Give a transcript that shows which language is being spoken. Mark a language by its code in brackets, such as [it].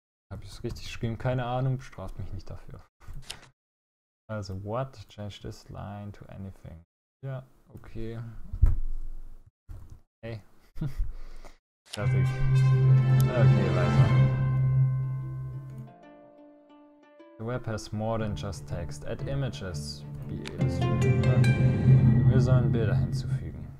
[de] Habe ich es richtig geschrieben? Keine Ahnung, bestraft mich nicht dafür. [en] Also, what? Change this line to anything. [de] Ja, okay. Hey. Fertig. Okay, weiter. [en] The web has more than just text. Add images. [de] Wir sollen Bilder hinzufügen.